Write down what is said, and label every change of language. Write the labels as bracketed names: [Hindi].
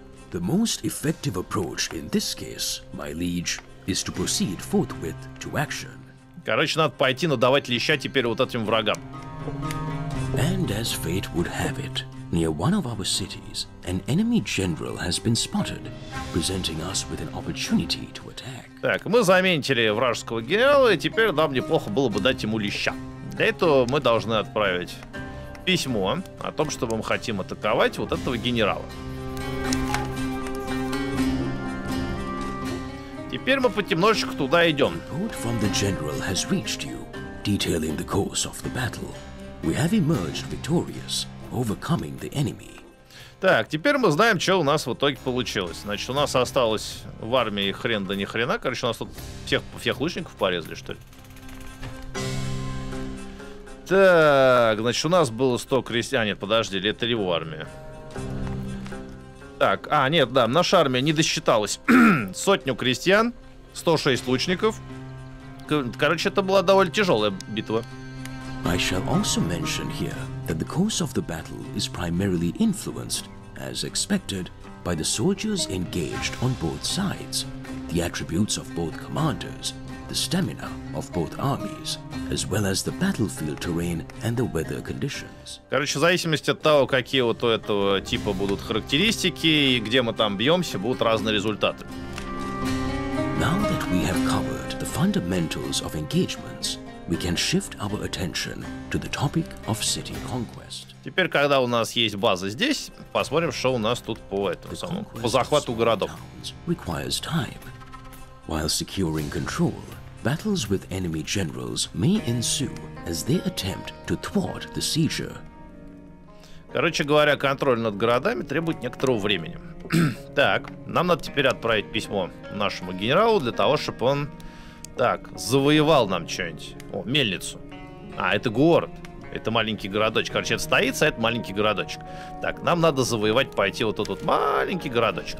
[English] The most effective approach in this case, my liege, is to proceed forthwith to action. [Russian] Короче, надо пойти надавать леща теперь вот этим врагам. [English] And as fate would have it, near one of our cities, an enemy general has been spotted, presenting us with an opportunity to attack. [Russian] Так, мы заметили вражеского генерала, и теперь нам неплохо было бы дать ему леща. Для этого мы должны отправить письмо о том, что мы хотим атаковать вот этого генерала. Теперь мы потемножечку туда идем. [English] Report from the general has reached you, detailing the course of the battle. We have emerged victorious. overcoming the enemy. [Russian] Так, теперь мы знаем, что у нас в итоге получилось. Значит, у нас осталось в армии хрен да ни хрена. Короче, у нас тут всех лучников порезали, что ли? Так, значит, у нас было 100 крестьян. Нет, подожди, ли это его армия? Так, а, нет, да, наша армия не досчиталась. Сотню крестьян, 106 лучников. Короче, это была довольно тяжелая битва. [English] I shall also mention here that the course of the battle is primarily influenced, as expected, by the soldiers engaged on both sides, the attributes of both commanders, the stamina of both armies, as well as the battlefield terrain and the weather conditions. [Russian] Короче, в зависимости от того, какие вот у этого типа будут характеристики и где мы там бьемся, будут разные результаты. [English] Now that we have covered the fundamentals of engagements, we can shift our attention to the topic of city conquest. [Russian] Теперь, когда у нас есть база здесь, посмотрим, что у нас тут по этому самому, по захвату городов. [English] Requires time. While securing control, battles with enemy generals may ensue as they attempt to thwart the seizure. [Russian] Короче говоря, контроль над городами требует некоторого времени. Так, нам надо теперь отправить письмо нашему генералу для того, чтобы он так, завоевал нам что-нибудь. О, мельницу. А, это город. Это маленький городочек. Короче, это стоится, а это маленький городочек. Так, нам надо завоевать, пойти вот этот маленький городочек.